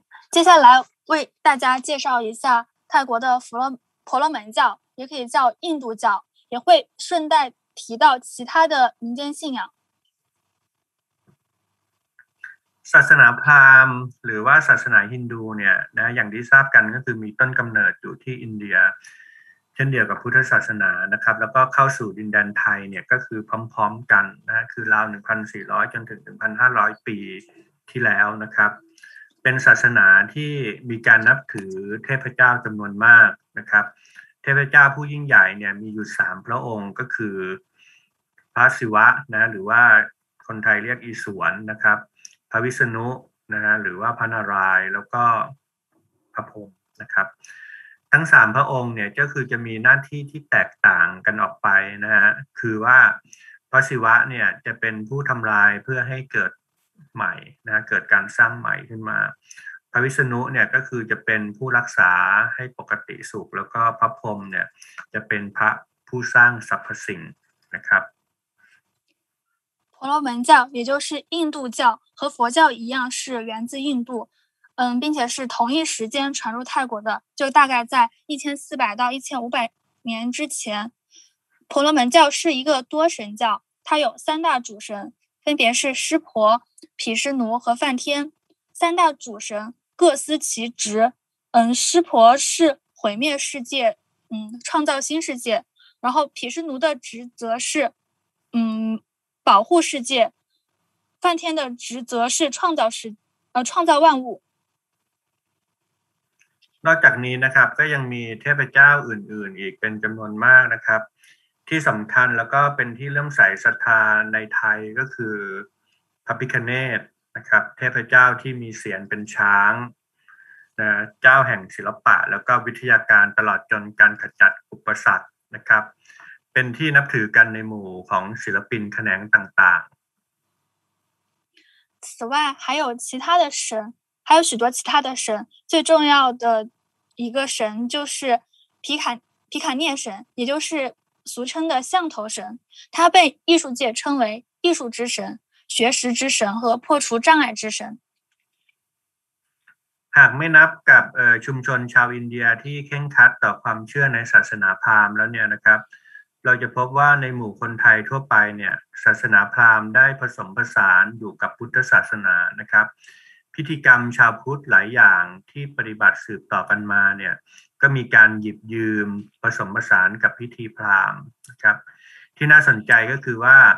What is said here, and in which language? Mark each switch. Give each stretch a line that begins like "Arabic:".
Chinese: 接下来为大家介绍一下泰国的婆罗门教也可以叫印度教，也会顺带提到其他的民间信仰。
Thai: ศาสนาพราหมณ์หรือว่าศาสนาฮินดูเนี่ยนะอย่างที่ทราบกันก็คือมีต้นกำเนิดอยู่ที่อินเดียเช่นเดียวกับพุทธศาสนานะครับแล้วก็เข้าสู่ดินแดนไทยเนี่ยก็คือพร้อมๆกันนะคือราว 1,400 จนถึง 1,500 ปีที่แล้วนะครับเป็นศาสนาที่มีการนับถือเทพเจ้าจำนวนมากนะครับเทพเจ้าผู้ยิ่งใหญ่เนี่ยมีอยู่3พระองค์ก็คือ พระศิวะนะหรือว่าคนไทยเรียกอีศวรนะครับพระวิษณุนะหรือว่าพระนารายณ์แล้วก็พระพรหมนะครับ ทั้ง3พระองค์เนี่ยก็คือจะมีหน้าที่ที่แตกต่างกันออกไปนะฮะคือว่าพระศิวะเนี่ยจะเป็นผู้ทำลายเพื่อให้เกิดใหม่นะเกิดการสร้างใหม่ขึ้นมาพระวิษณุเนี่ยก็คือจะเป็นผู้รักษาให้ปกติสุขแล้วก็พระพรหมเนี่ยจะเป็นพระผู้สร้างสรรพสิ่งนะครับ
Chinese: 婆罗门教也就是印度教和佛教一样是源自印度嗯并且是同一时间传入泰国的就大概在1400到1500年之前婆罗门教是一个多神教它有三大主神分别是湿婆毗湿奴和梵天三大主神各司其职嗯湿婆是毁灭世界嗯创造新世界然后毗湿奴的职责是嗯保护世界梵天的职责是创造世创造万物
Thai: นอกจากนี้นะครับก็ยังมีเทพเจ้าอื่นๆ อีกเป็นจำนวนมากนะครับที่สำคัญแล้วก็เป็นที่เริ่มใส่ศรัทธาในไทยก็คือพระพิฆเนศนะครับเทพเจ้าที่มีเศียรเป็นช้างนะเจ้าแห่งศิลปะแล้วก็วิทยาการตลอดจนการขจัดอุปสรรคนะครับเป็นที่นับถือกันในหมู่ของศิลปินแขนงต่าง
Chinese: ๆ此外还有其他的神还有许多其他的神最重要的一个神就是皮卡涅神也就是俗称的象头神他被艺术界称为艺术之神学识之神和破除障碍之神
Thai: หากไม่นับกับชุมชนชาวอินเดียที่เคร่งครัดต่อความเชื่อในศาสนาพราหมณ์แล้วเนี่ยนะครับเราจะพบว่าในหมู่คนไทยทั่วไปเนี่ยศาสนาพราหมณ์ได้ผสมผสานอยู่กับพุทธศาสนานะครับพิธีกรรมชาวพุทธหลายอย่างที่ปฏิบัติสืบต่อกันมาเนี่ยก็มีการหยิบยืมผสมผสานกับพิธีพราหมณ์นะครับที่น่าสนใจก็คือว่า